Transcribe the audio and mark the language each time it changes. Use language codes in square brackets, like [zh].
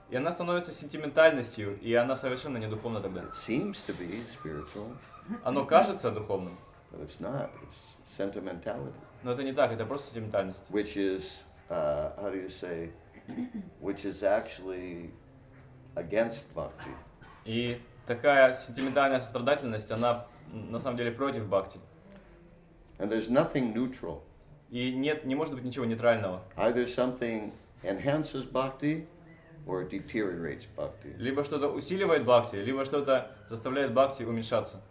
[ru] И она становится сентиментальностью, и она совершенно не духовна тогда. [en] It seems to be spiritual. [ru] Оно кажется духовным. [en] But it's not. It's sentimentality. [ru] Но это не так. Это просто сентиментальность. [en] Which is, how do you say, which is actually against bhakti. [ru] И такая сентиментальная сострадательность, она на самом деле против бхакти. [en] And there's nothing neutral. [ru] И нет, не может быть ничего нейтрального. [en] Either something enhances bhakti or deteriorates bhakti. [ru] Либо что-то усиливает бхакти, либо что-то заставляет бхакти уменьшаться.